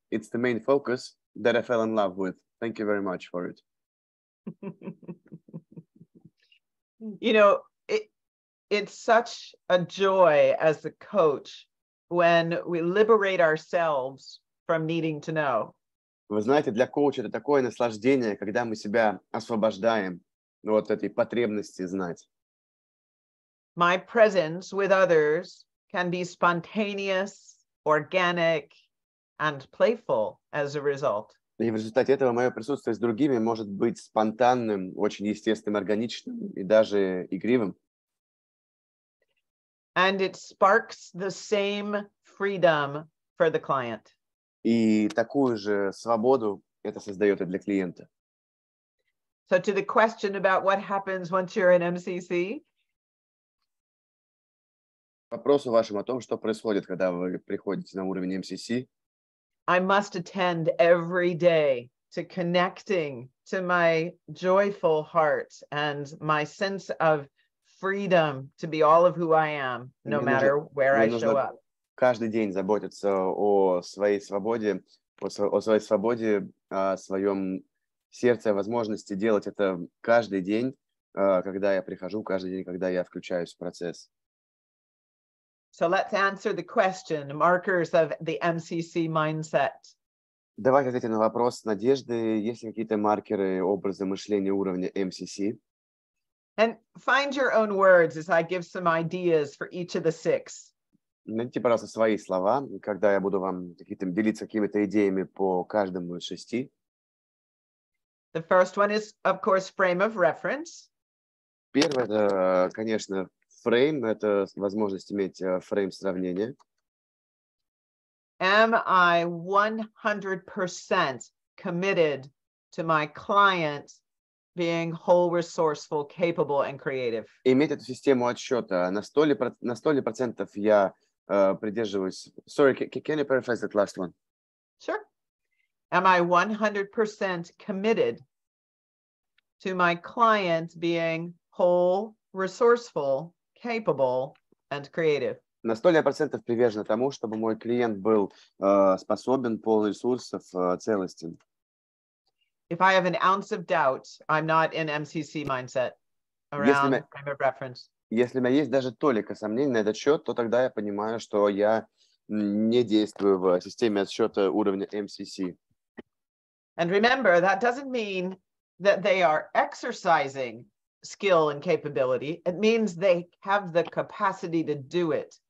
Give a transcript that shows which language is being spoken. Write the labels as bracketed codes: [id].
[en] It's the main focus that I fell in love with. Thank you very much for it. You know, it's such a joy as a coach when we liberate ourselves from needing to know. [ru] Вы знаете, для коуча это такое наслаждение, когда мы себя освобождаем от этой потребности знать. [en] My presence with others can be spontaneous, organic, and playful as a result. [ru] И в результате этого мое присутствие с другими может быть спонтанным, очень естественным, органичным и даже игривым. [en] And it sparks the same freedom for the client. [ru] И такую же свободу это создает и для клиента. [en] So to the question about what happens once you're in MCC. [ru] Вопросу вашему о том, что происходит, когда вы приходите на уровень MCC. [en] I must attend every day to connecting to my joyful heart and my sense of freedom to be all of who I am, no matter where I show up. [ru] Каждый день заботиться о своей свободе, о своей свободе, о своем сердце, о возможности делать это каждый день, когда я прихожу, каждый день, когда я включаюсь в процесс. [en] So let's answer the question, markers of the MCC mindset. [ru] Давайте ответим на вопрос Надежды, есть ли какие-то маркеры, образы мышления уровня MCC? [en] And find your own words as I give some ideas for each of the six. [ru] Найдите, пожалуйста, свои слова, когда я буду вам какие-то, делиться какими-то идеями по каждому из шести. [en] The first one is, of course, frame of reference. [ru] Первое, это, конечно, фрейм, это возможность иметь фрейм сравнения. [en] Am I 100% committed to my client being whole, resourceful, capable, and creative? [ru] Иметь эту систему отсчета, на 100% я придерживаюсь. [en] Sorry, can you paraphrase that last one? Sure. Am I 100% committed to my client being whole, resourceful, capable, and creative? [ru] На 100% привержена тому, чтобы мой клиент был способен, полон ресурсов, целостен. [en] If I have an ounce of doubt, I'm not in MCC mindset around frame of reference. [ru] Если у меня есть даже толика сомнений на этот счет, то тогда я понимаю, что я не действую в системе отсчета уровня MCC. [en] And remember, that doesn't mean that they are exercising skill and capability. It means they have the capacity to do it.